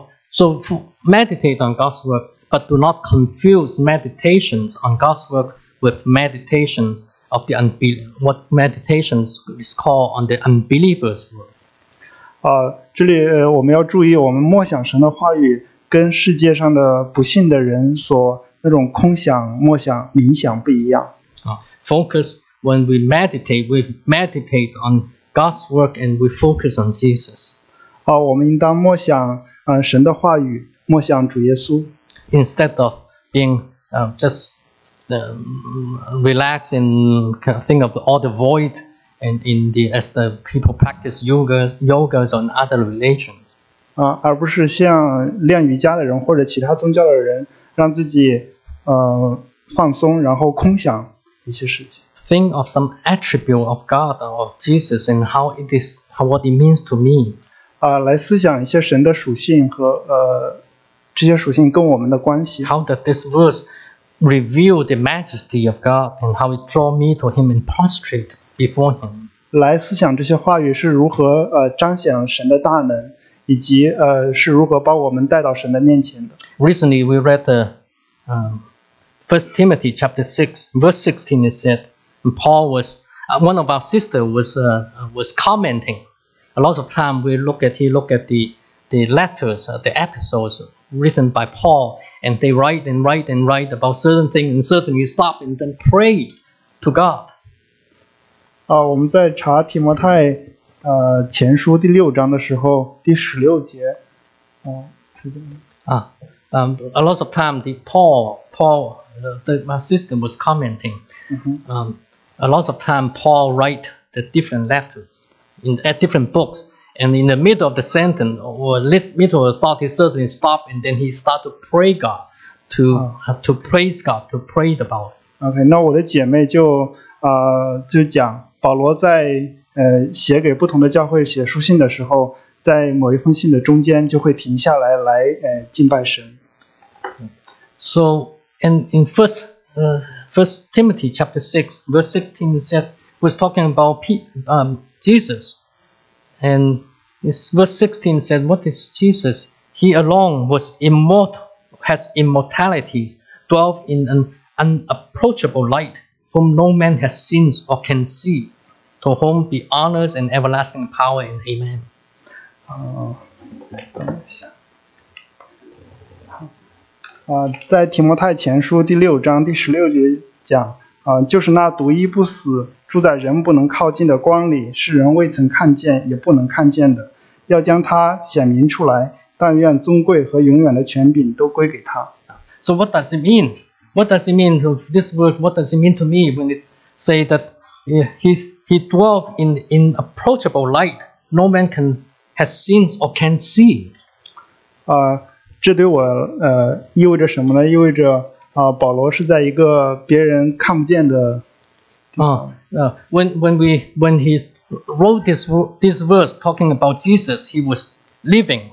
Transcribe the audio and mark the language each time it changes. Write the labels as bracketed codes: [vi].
[en] So meditate on God's work, but do not confuse meditations on God's work with meditations of the what meditations is called on the unbelievers' work. [zh] 这里我们要注意，我们默想神的话语跟世界上的不信的人所那种空想、默想、冥想不一样。 [en] Focus. When we meditate on God's work and we focus on Jesus. [zh] 我们应当默想神的话语，默想主耶稣。 [en] Instead of being relaxed and think of all the void and as the people practice yogas on other religions. [zh] 而不是像练瑜伽的人或者其他宗教的人，让自己放松，然后空想一些事情。 [en] Think of some attribute of God or of Jesus and how it is, what it means to me. [zh] 来思想一些神的属性和这些属性跟我们的关系。 [en] How does this verse reveal the majesty of God and how it draw me to Him and prostrate before Him? [zh] 来思想这些话语是如何彰显神的大能，以及是如何把我们带到神的面前的。 [en] Recently, we read the First Timothy chapter 6, verse 16. It said. And Paul was, one of our sisters was commenting. A lot of time we look at the the letters, the episodes written by Paul, and they write and write and write about certain things, and certain you stop and then pray to God. [zh] 我们在查提摩太前书第六章的时候，第十六节， [en] A lot of time the Paul, my sister was commenting. A lot of time Paul write the different letters at different books, and in the middle of the sentence or middle of the thought, he suddenly stopped and then he started to pray God, to praise God, to pray about. [zh] Okay, 那我的姐妹就讲保罗在写给不同的教会写书信的时候，在某一封信的中间就会停下来来敬拜神。 [en] So, and in First Timothy chapter 6, verse 16, it said, was talking about Jesus. And this verse 16 said, what is Jesus? He alone was immortal, has immortalities, dwelt in an unapproachable light, whom no man has seen or can see, to whom be honors and everlasting power. And amen. [zh] 等一下。在提摩太前书第六章第十六节讲，就是那独一不死，住在人不能靠近的光里，是人未曾看见也不能看见的，要将他显明出来，但愿尊贵和永远的权柄都归给他。 [en] So what does it mean? What does it mean to this word? What does it mean to me when it say that he dwelt in inapproachable light, no man has seen or can see? [zh] 这对我意味着什么呢？意味着保罗是在一个别人看不见的 [en] When he wrote this verse talking about Jesus, he was living.